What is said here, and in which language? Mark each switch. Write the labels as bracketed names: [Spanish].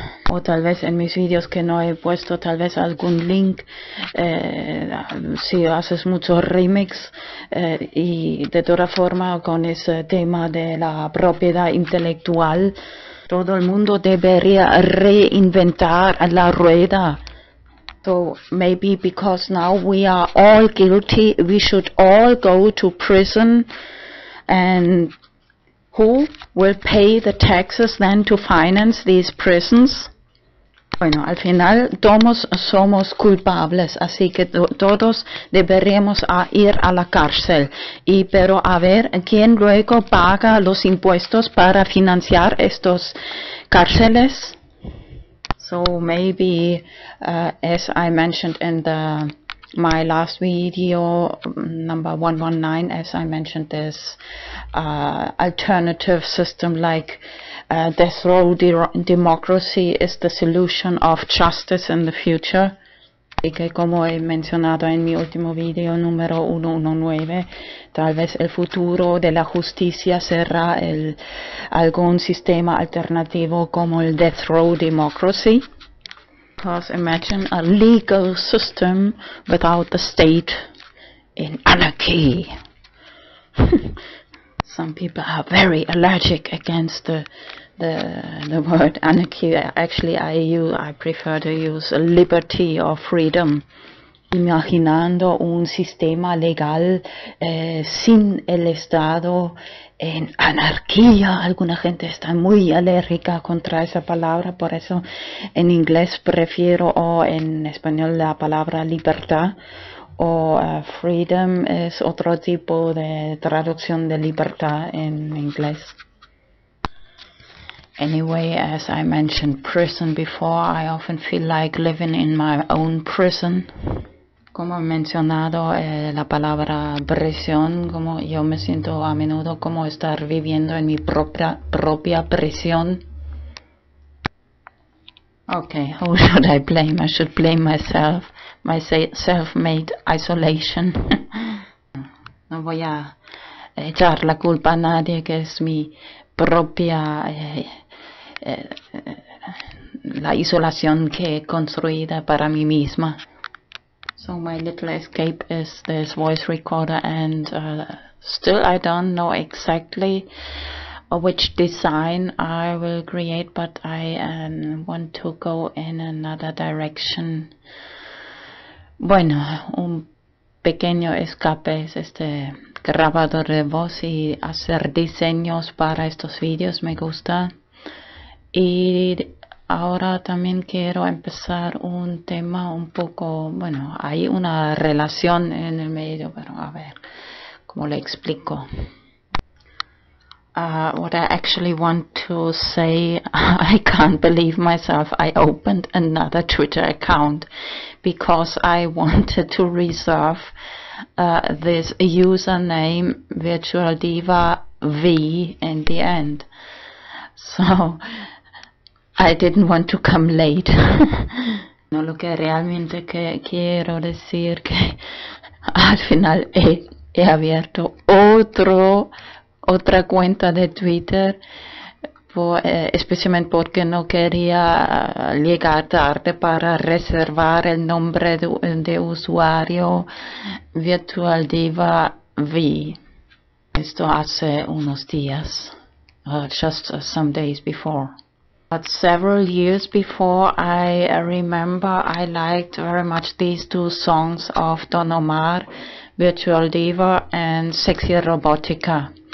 [Spanish] O tal vez en mis videos que no he puesto tal vez algún link, si haces mucho remix, y de toda forma con ese tema de la propiedad intelectual, todo el mundo debería reinventar la rueda. [English] So maybe because now we are all guilty, we should all go to prison, and who will pay the taxes then to finance these prisons? [Spanish] Bueno, al final todos somos culpables, así que todos deberíamos ir a la cárcel. Y pero a ver quién luego paga los impuestos para financiar estos cárceles. [English] So maybe, as I mentioned in my last video, number 119, as I mentioned this alternative system, like death row democracy is the solution of justice in the future. [Spanish] Y que como he mencionado en mi último video, número 119, tal vez el futuro de la justicia será algún sistema alternativo como el death row democracy. [English] Because imagine a legal system without the state, in anarchy. Some people are very allergic against the word anarchy. Actually, I prefer to use liberty or freedom. [Spanish] Imaginando un sistema legal sin el Estado, en anarquía. Alguna gente está muy alérgica contra esa palabra, por eso en inglés prefiero, o en español, la palabra libertad, o freedom es otro tipo de traducción de libertad en inglés. [English] Anyway, as I mentioned prison before, I often feel like living in my own prison. [Spanish] Como he mencionado la palabra prisión, como yo me siento a menudo como estar viviendo en mi propia prisión. [English] Okay, who should I blame? I should blame myself, my self-made isolation. [Spanish] No voy a echar la culpa a nadie, que es mi propia la isolación que he construido para mí misma. [English] So my little escape is this voice recorder, and still I don't know exactly which design I will create, but I want to go in another direction. [Spanish] Bueno, un pequeño escape es este grabador de voz, y hacer diseños para estos videos me gusta. Y ahora también quiero empezar un tema un poco, bueno, hay una relación en el medio, pero a ver cómo lo explico. [English] What I actually want to say, I can't believe myself, I opened another Twitter account because I wanted to reserve this username virtual diva V in the end. So I didn't want to come late. [Spanish] No, lo que realmente que quiero decir que al final he abierto otra cuenta de Twitter, especialmente porque no quería llegar tarde para reservar el nombre de usuario virtual diva V. Esto hace unos días, [English] just some days before. But several years before, I remember I liked very much these two songs of Don Omar, Virtual Diva and Sexy Robotica.